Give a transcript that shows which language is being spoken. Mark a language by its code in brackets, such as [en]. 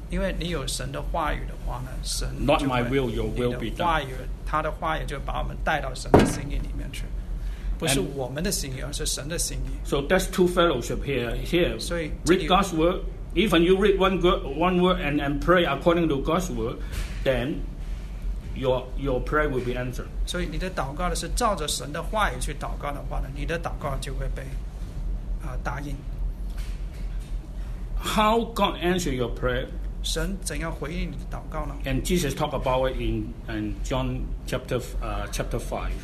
[zh] 因为你有神的话语的话呢，神 [en] Not my will, your will be done. [zh] 你的话语，他的话语就把我们带到神的心意里面去，不是我们的心意，而是神的心意。 [en] So that's two fellowship here. Here, [zh] 所以 [en] read God's word. Even you read one word and pray according to God's word, then. Your prayer will be answered. [zh] 所以你的祷告是照着神的话语去祷告的话呢，你的祷告就会被答应。 [en] How God answer your prayer? [zh] 神怎样回应你的祷告呢 [en] ？And Jesus talk about it in John chapter 5.